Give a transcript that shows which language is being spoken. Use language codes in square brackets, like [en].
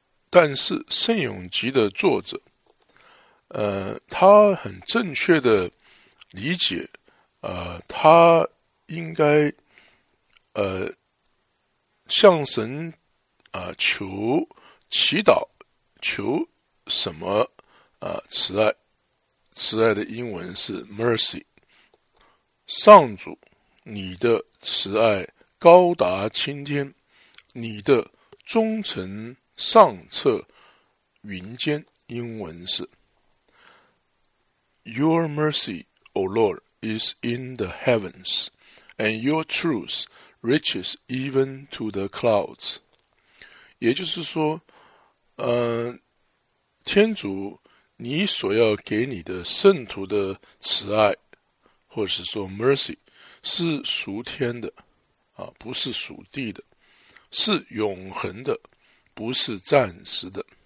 [zh] 但是圣咏集的作者他很正确的理解他应该向神求祈祷，求什么慈爱。慈爱的英文是 mercy。上主，你的慈爱高达青天，你的忠诚上彻云间。英文是 [en] Your mercy, O Lord, is in the heavens, and your truth reaches even to the clouds。 [zh] 也就是说天主，你所要给你的圣徒的慈爱，或者是说 mercy, 是属天的不是属地的，是永恒的，不是暂时的。